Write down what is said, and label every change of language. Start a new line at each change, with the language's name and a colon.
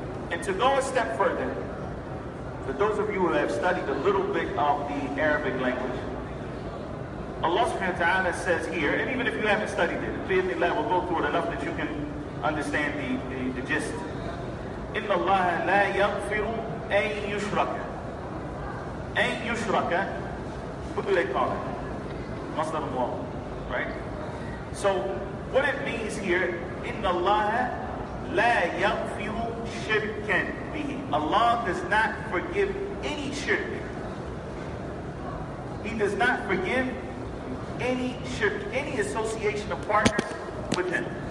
English: And to go a step further, for those of you who have studied a little bit of the Arabic language, Allah subhanahu wa ta'ala says here, and even if you haven't studied it, we'll go through it enough that you can understand the gist.
Arabic: إِنَّ اللَّهَ لَا يَغْفِرُ أَن يُشْرَكَ. أَن يُشْرَكَ,
English: what do they call it?
Arabic: مَصْدَرُ مُوَضَعٍ,
English: right? So what it means here,
Arabic: إِنَّ اللَّهَ لَا يَغْفِرُ شِرْكًا بِهِ.
English: Allah does not forgive any shirk. He does not forgive any shirk, any association of partners with Him.